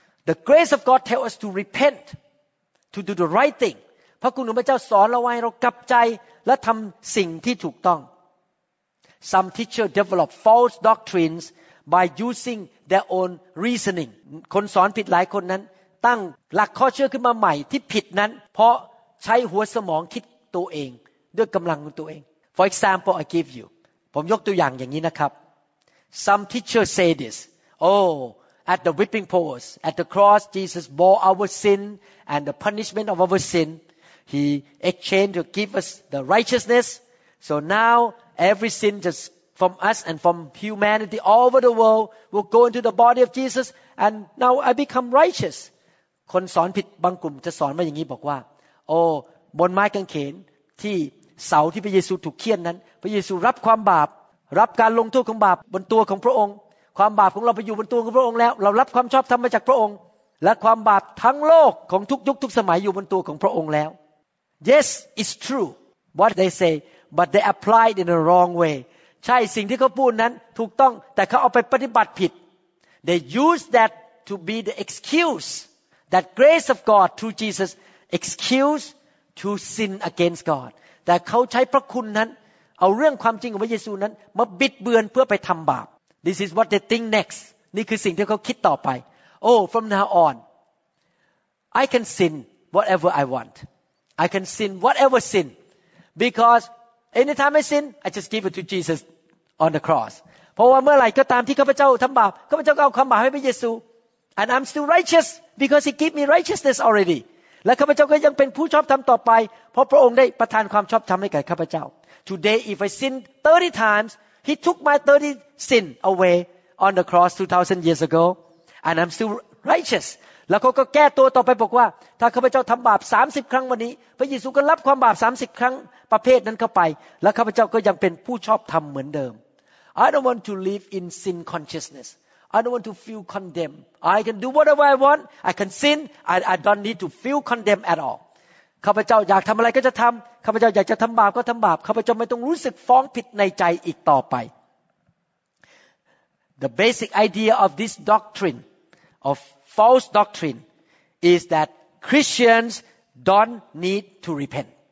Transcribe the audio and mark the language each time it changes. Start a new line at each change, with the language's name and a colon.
English: the grace of God tells us to repent to do the right thing
Thai: พระคุณของพระเจ้าสอนเราให้เรากลับใจและทำสิ่งที่ถูกต้อง
English: Some teachers develop false doctrines by using their own reasoning.
Thai: คนสอนผิดหลายคนนั้นตั้งหลักข้อเชื่อขึ้นมาใหม่ที่ผิดนั้นเพราะใช้หัวสมองคิดตัวเองด้วยกำลังของตัวเอง
English: For example, I give you.
Thai: ผมยกตัวอย่างอย่างนี้นะครับ
English: Some teachers say this. Oh, at the whipping post, at the cross, Jesus bore our sin and the punishment of our sin. He exchanged to give us the righteousness. So now every sin just from us and from humanity all over the world will go into the body of Jesus. And now I become righteous.
Thai: คนสอนผิดบางกลุ่มจะสอนมาอย่างนี้บอกว่าโอ้บนไม้กางเขนที่เสาที่พระเยซูถูกเฆี่ยนนั้นพระเยซูรับความบาป รับการลงโทษของบาปบนตัวของพระองค์ความบาปของเราไปอยู่บนตัวของพระองค์แล้วเรารับความชอบธรรมจากพระองค์และความบาปทั้งโลกของทุกยุคทุกสมัยอยู่บนตัวของพระองค์แล้ว
English: Yes it's true what they say but they apply it in a wrong way
Thai: ใช่สิ่งที่เขาพูดนั้นถูกต้องแต่เขาเอาไปปฏิบัติผิด
English: they use that to be the excuseThat grace of God through Jesus excuse to sin against God.
Thai: แต่เขาใช้พระคุณนั้นเอาเรื่องความจริงของพระเยซูนั้นมาบิดเบือนเพื่อไปทำบาป
English: This is what they think next.
Thai: นี่คือสิ่งที่เขาคิดต่อไป
English: Oh, from now on, I can sin whatever I want. I can sin whatever sin because anytime I sin, I just give it to Jesus on the cross.
Thai: เพราะว่าเมื่อไหร่ก็ตามที่ข้าพเจ้าทำบาปข้าพเจ้าก็เอาความบาปให้พระเยซู
English: And I'm still righteous because He gave me righteousness already.
Thai: และข้าพเจ้าก็ยังเป็นผู้ชอบธรรมต่อไปเพราะพระองค์ได้ประทานความชอบธรรมให้แก่ข้าพเจ้า
English: Today, if I sin 30 times, He took my 30 sin away on the cross 2,000 years ago, and I'm still righteous.
Thai: แล้วเขาก็แก้ตัวต่อไปบอกว่าถ้าข้าพเจ้าทำบาป30ครั้งวันนี้พระเยซูก็รับความบาป30ครั้งประเภทนั้นเข้าไปและข้าพเจ้าก็ยังเป็นผู้ชอบธรรมเหมือนเดิม
English: I don't want to live in sin consciousness. I don't want to feel condemned. I can do whatever I want. I can sin. I don't need to feel condemned at all.
Thai: ข้าพเจ้าอยากทำอะไรก็จะทำข้าพเจ้าอยากจะทำบาปก็ทำบาปข้าพเจ้าไม่ต้องรู้สึกฟ้องผิดในใจอีกต่อไป
English: The basic idea of this doctrine, of false doctrine, is that Christians don't need to repent.